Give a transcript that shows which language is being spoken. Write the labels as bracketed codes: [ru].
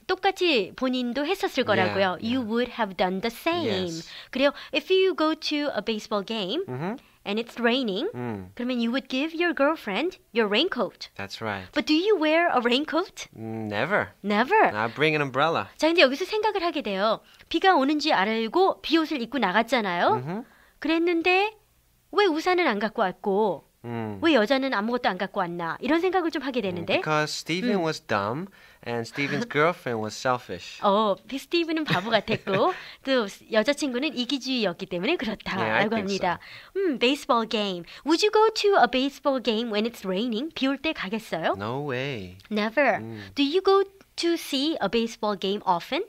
[ko] 똑같이 본인도 했었을 거라고요. [en] Yeah, you yeah. would have done the same. Yes. [ko] 그래요. [en] If you go to a baseball game and it's raining, [ko] 그러면 [en] you would give your girlfriend your raincoat. That's right. But do you wear a raincoat? Never. Never. I bring an umbrella. [ko] 자, 근데 여기서 생각을 하게 돼요. 비가 오는지 알고 비옷을 입고 나갔잖아요. Mm-hmm. 그랬는데 왜 우산은 안 갖고 왔고 왜 여자는 아무것도 안 갖고 왔나 이런 생각을 좀 하게 되는데 [en] Because Stephen was dumb and Stephen's girlfriend was selfish. [ko] 어, 스티븐은 바보 같았고 또 여자친구는 이기주의였기 때문에 그렇다라고 합니다. [en] So. Baseball game. Would you go to a baseball game when it's raining? [ko] 비 올 때 가겠어요? [en] No way. Never. Do you go to see a baseball game often?